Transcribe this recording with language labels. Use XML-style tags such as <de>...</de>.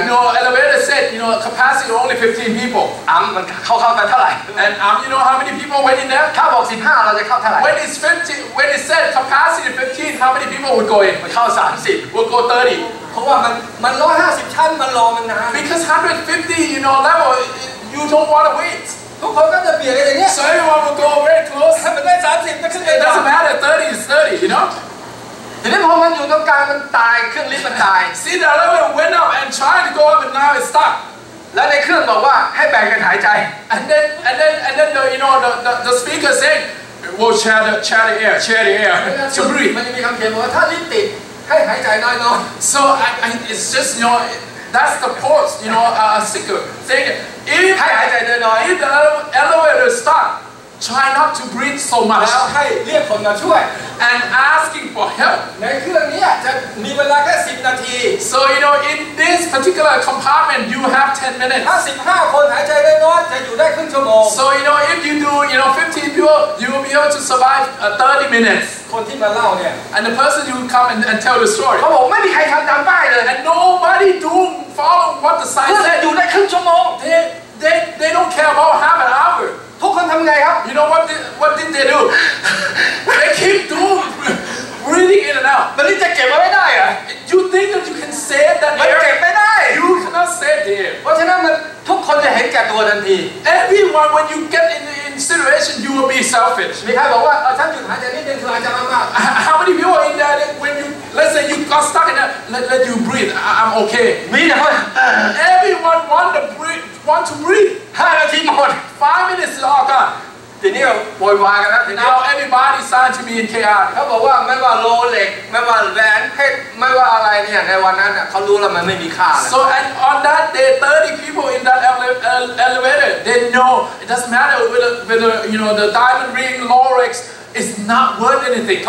<en>you know elevator said you know capacity only 15 people</en> <th>อัมมันเข้าไปเท่าไหร่</th> <en>and อัม you know how many people went in there</en> <th>ถ้าบอก15เราจะเข้าเท่าไหร่</th> <en>when it's 15 when it said capacity 15 how many people would go in</en> <th>มันเข้า30</th> <en>would go 30</en> <th>เพราะว่ามัน150ชั้นมันรอมันนาน</th> <en>because 150 you know that was you don't want to wait</en> <th>ทุกคนก็จะเบียดอะไรเงี้ย</th> <en>so everyone will go very close</en> <th>แต่ไม่ได้30ไม่ขึ้นไปได้</th> <en>doesn't matter 30 is 30 you know</en> <th>ทีนี้พอมันอยู่ตรงกลางมันตายเครื่องลิฟต์มันตาย</th> <en>see the elevator went up and tried to go up but now it's stuck</en> <th>แล้วในเครื่องบอกว่าให้แบ่งกันหายใจ</th> <en>and then the, you know the speaker said we'll share the air share the air to breathe</en> <th>มันมีคำเขียนบอกว่าถ้าลิฟต์ติดให้หายใจน้อยลง</th> <en>so I it's just you know that's the pause you know a sticker thingIf the elevator stuck, try not to breathe so much.</en> <th>แล้วให้เรียกคนมาช่วย</th> <en>and asking for help.</en> <th>ในเครื่องนี้จะมีเวลาแค่10นาที</th> <en>So you know in this particular compartment you have 10 minutes.</en> <th>ถ้า15คนหายใจได้น้อยจะอยู่ได้ครึ่งชั่วโมง</th> <en>So you know if you do you know 15 people you will be able to survive 30 minutes.</en> <th>คนที่มาเล่าเนี่ย</th> <en>and the person you come and tell the story.</en> <th>เขาบอกไม่มีใครทำตามป้ายเลย</th> <en>and nobody do follow what the sign said.</en> <th>เพื่ออยู่ได้ครึ่งชั่วโมง</th> <en>They don't care about half an hour.</en> <th>ทุกคนทำไงครับ</th> <en>You know what did they do? They keep doing breathing in and out.</en> <th>มันจะเก็บไว้ได้อะ</th> <en>You think that you can save that air?</en> <th>มันเก็บไม่ได้</th> <en>You cannot save the air.</en> <th>เพราะฉะนั้นมันทุกคนจะเห็นแก่ตัวทันที</th> <en>Everyone when you get in situation you will be selfish.</en> <th>มีใครบอกว่าฉันหยุดหายใจนิดนึงคืออาจจะมาก</th> <en>How many people are in there when you let's say you got stuck in there let you breathe I'm okay.</en> <th>มีนะ</th> <en>Everyone want to breathe. Want to breathe? 5 minutes left. 5 minutes is all gone.</en> <th>ทีนี้บอยวากันแล้ว</th> <en>Now everybody signed to be in KR.</en> <th>เขาบอกว่าไม่ว่าโรเล็กไม่ว่าแวนเพชรไม่ว่าอะไรเนี่ยในวันนั้นเขารู้แล้วมันไม่มีค่า</th> <en>So and on that day, 30 people in that elevator, they know it doesn't matter whether you know the diamond ring, Rolex is not worth anything.</en>